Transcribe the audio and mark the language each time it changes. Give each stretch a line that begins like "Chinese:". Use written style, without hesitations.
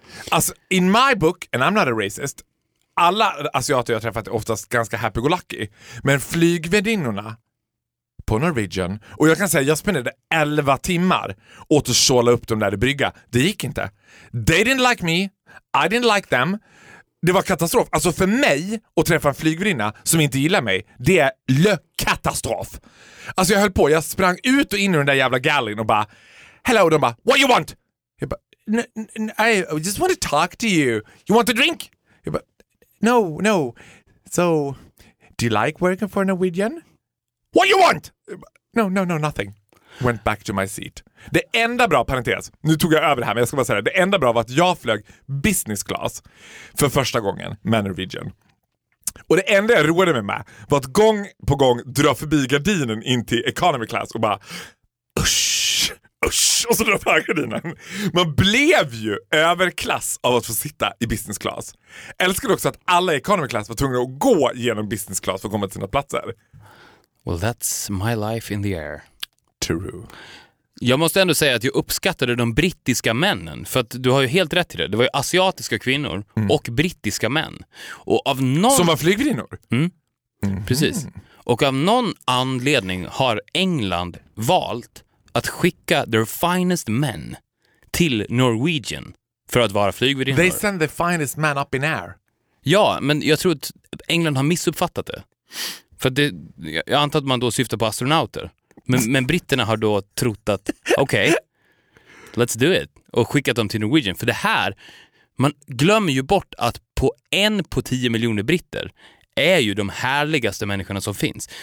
Swedish: Alltså,
English: in my book, and I'm not a racist,
Swedish: alla asiater jag träffat är oftast ganska
English: happy-go-lucky,
Swedish: men flygvärdinnorna på Norwegian, och jag kan säga, jag spenderade 11 timmar åt att såla upp dem där i brygga. Det gick inte.
English: They didn't like me. I didn't like them.
Swedish: Det var katastrof. Alltså för mig att träffa en flygvärdinna som inte gillar mig, det är katastrof. Alltså jag höll på, jag sprang ut och in i den där jävla galleryn och bara,
English: hello,
Swedish: och de bara,
English: what you want?
Swedish: Jag bara,
English: I just want to talk to you. You want a drink?
Swedish: Jag bara,
English: no, no. So, do you like working for Norwegian? What you want? No, no, no, nothing. Went back to my seat.
Swedish: Det enda bra, parentes, nu tog jag över det här, men jag ska bara säga det. Det enda bra var att jag flög business class för första gången med Norwegian. Och det enda jag roade mig med var att gång på gång dra förbi gardinen in till economy class och bara, usch, usch, och så dra förbi gardinen. Man blev ju överklass av att få sitta i business class. Älskade också att alla i economy class var tvungna att gå genom business class för att komma till sina platser.
English: Well, that's my life in the air. True.
Swedish: Jag måste ändå säga att jag uppskattade de brittiska männen, för att du har ju helt rätt i det. Det var ju asiatiska kvinnor och brittiska män. Och av någon... Som var flygvärdinnor? Mm. Precis. Och av någon anledning har England valt att skicka
English: their finest men
Swedish: till Norwegian för att vara flygvärdinnor.
English: They send the finest man up in air.
Swedish: Ja, men jag tror att England har missuppfattat det. För det, jag antar att man då syftar på astronauter. Men britterna har då trott att okej,
English: okay, let's do it.
Swedish: Och skickat dem till Norwegian. För det här, man glömmer ju bort att på 1 på 10 miljoner britter är ju de härligaste människorna som finns.